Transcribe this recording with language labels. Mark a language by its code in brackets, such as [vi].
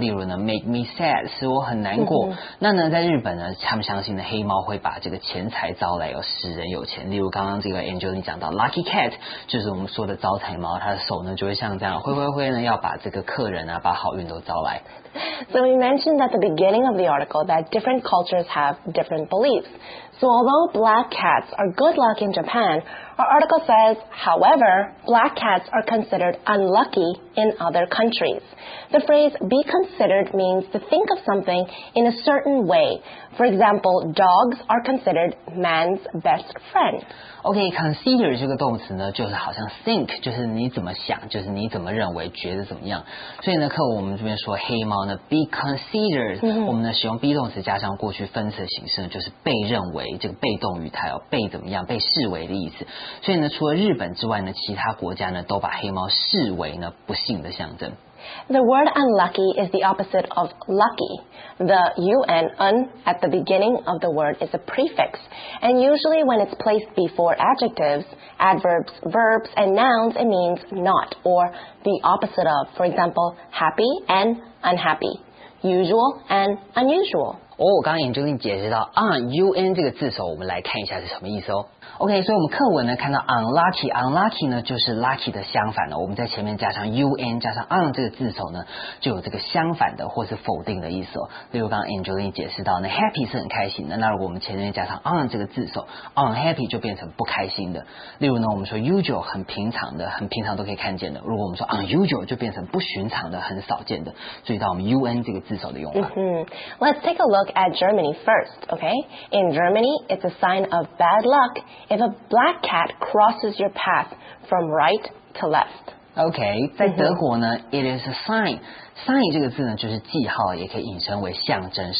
[zh] 例如呢 [en] make me sad, [zh] 使我很难过。那呢在日本呢他们相信呢黑猫会把这个钱财招来有使人有钱，例如刚刚这个 Angeline 讲到 Lucky Cat 就是我们说的招财猫，它的手呢就会像这样挥挥挥呢，要把这个客人啊把好运都招来。 [en] So we mentioned at the beginning of the article that different cultures have different beliefs. So although black cats are good luck in Japan, our article says, however, black cats are considered unlucky in other countries. The phrase be considered means to think of something in a certain way. For example, dogs are considered man's best friend. [zh] OK, consider 这个动词呢就是好像 think, 就是你怎么想就是你怎么认为觉得怎么样。所以呢课我们这边说黑猫呢 be considered,、我们呢使用 be 动词加上过去分词的形式呢就是被认为这个被动语态哦被怎么样被视为的意思。所以呢除了日本之外呢其他国家呢都把黑猫视为呢不幸的象征。 [en] The word unlucky is the opposite of lucky. The U-N, un, at the beginning of the word is a prefix. And usually when it's placed before adjectives, adverbs, verbs, and nouns, it means not or the opposite of. For example, happy and unhappy. Usual and unusual. [zh] 哦，我刚刚研究你解释到 un 这个字首，我们来看一下是什么意思哦。 OK， 所以我们课文呢看到 unlucky 呢就是 lucky 的相反的，我们在前面加上 un 加上 un 这个字首呢，就有这个相反的或是否定的意思哦。例如刚刚研究你解释到，那 happy 是很开心的，那如果我们前面加上 un 这个字首 ，unhappy 就变成不开心的。例如呢，我们说 usual 很平常的，很平常都可以看见的，如果我们说 unusual 就变成不寻常的，很少见的。注意到我们 un 这个字首的用法。 [en] Let's take a look. At Germany first, okay? In Germany, it's a sign of bad luck if a black cat crosses your path from right to left. Okay, [zh] 在德国呢、 [en] it is a sign. [zh] Sign 这个字呢就是记号，也可以引申为象征。